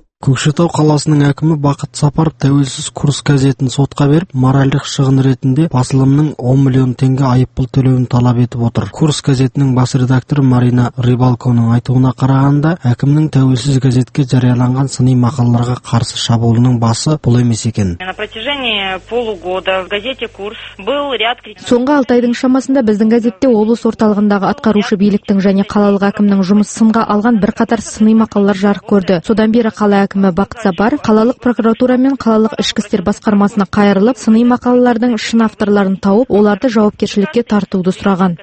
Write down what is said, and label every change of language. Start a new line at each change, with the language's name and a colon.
Kazakh: Көкшетау қаласының әкімі Бақыт Сапаров тәуелсіз Курс газетін сотқа беріп, моральдық шығын ретінде басылымның 10 миллион теңге айыппұл төлеуін талап етіп отыр. Курс газетінің бас редакторы Марина Рыбалконың айтуына қарағанда, әкімнің тәуелсіз газетке жарияланған сыни мақалаларға қарсы шабуылының басы бұл емес екен.
Russian: На протяжении полугода в газете Курс был ряд критик.
Kazakh: Соңғы 6 айдың шамасында біздің газетте облыс орталығындағы атқарушы биліктің және қалалық әкімнің жұмысын сынға алған бірқатар сыни мақалалар жарық көрді. Содан бері әкімі Бақыт Сапаров қалалық прокуратура мен қалалық ішкі істер басқармасына қайырылып, сыни мақалалардың шын авторларын тауып, оларды жауапкершілікке тартуды сұраған.